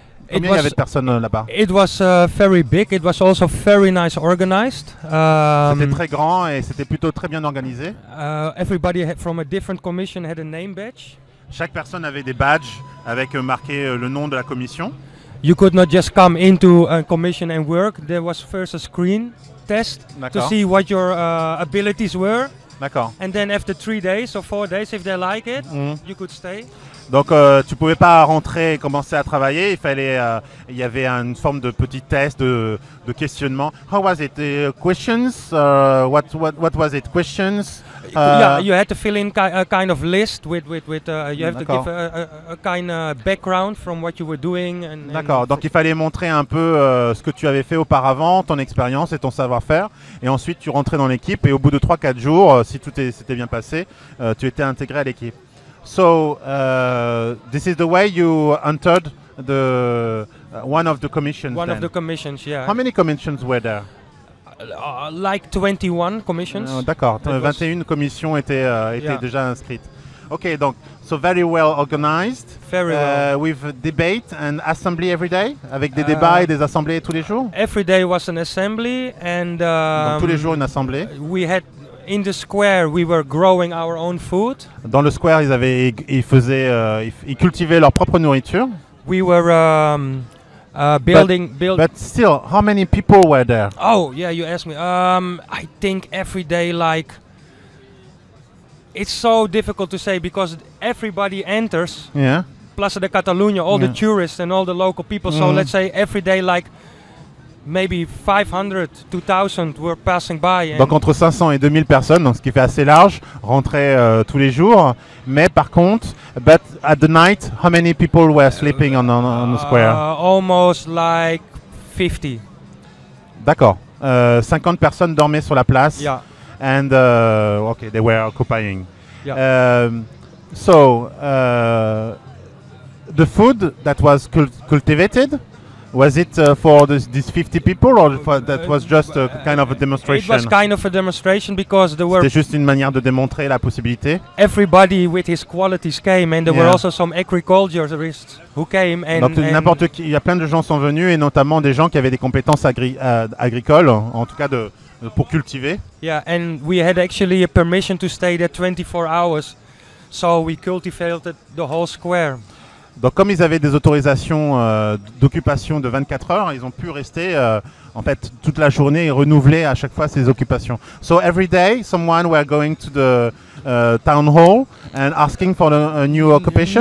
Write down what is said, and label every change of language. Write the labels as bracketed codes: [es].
[fr] Combien il y avait de personnes là-bas? [en] It was very big. It was also very nice organized. [fr] C'était très grand et c'était plutôt très bien organisé. [en] Everybody from a different commission had a name badge. [fr] Chaque personne avait des badges avec marqué le nom de la commission. [en] You could not just come into a commission and work. There was first a screen test. [fr] D'accord. [en] To see what your abilities were. [fr] D'accord. [en] And then after 3 days or 4 days, if they like it, mm-hmm. you could stay. [fr] Donc tu pouvais pas rentrer et commencer à travailler. Il y avait une forme de petit test de questionnement. [en] How was it? Questions? What was it? Questions? Yeah, you had to fill in a kind of list with you have D'accord. to give a kind of background from what you were doing. And [fr] D'accord, donc il fallait montrer un peu ce que tu avais fait auparavant, ton expérience et ton savoir-faire. Et ensuite, tu rentrais dans l'équipe et au bout de 3-4 jours, si tout s'était bien passé, tu étais intégré à l'équipe. [en] So, this is the way you entered the one of the commissions. One of the commissions, yeah. How many commissions were there? Like 21 commissions. [fr] D'accord, 21 commissions étaient déjà inscrites. Ok, donc, [en] so very well organized. Very well. With debate and assembly every day, [fr] avec des débats et des assemblées tous les jours. [en] Every day was an assembly and... [fr] Donc tous les jours une assemblée. [en] We had, in the square, we were growing our own food. [fr] Dans le square, ils cultivaient leur propre nourriture. [en] We were... But still, how many people were there? Oh, yeah, you asked me. I think every day, like, it's so difficult to say because everybody enters. Yeah. Plaza de Catalunya, all the tourists and all the local people. So let's say every day, like, maybe 500, 2,000 were passing by. [fr] Donc entre 500 et 2,000 personnes, donc ce qui fait assez large, rentraient tous les jours. Mais par contre, [en] but at the night, how many people were sleeping on the square? Almost like 50. [fr] D'accord. 50 personnes dormaient sur la place. [en] Yeah. And okay, they were occupying. Yeah. The food that was cultivated. Was it for these 50 people or that was just a kind of a demonstration? It was kind of a demonstration because there were... [fr] C'était juste une manière de démontrer la possibilité. [en] Everybody with his qualities came and there were also some agriculturists who came and... [fr] Donc n'importe qui, il y a plein de gens sont venus et notamment des gens qui avaient des compétences agricoles, en tout cas pour cultiver. [en] Yeah, and we had actually a permission to stay there 24 hours, so we cultivated the whole square. [fr] Donc comme ils avaient des autorisations d'occupation de 24 heures, ils ont pu rester en fait toute la journée et renouveler à chaque fois ces occupations. [en] So every day someone were going to the town hall and asking for a new occupation.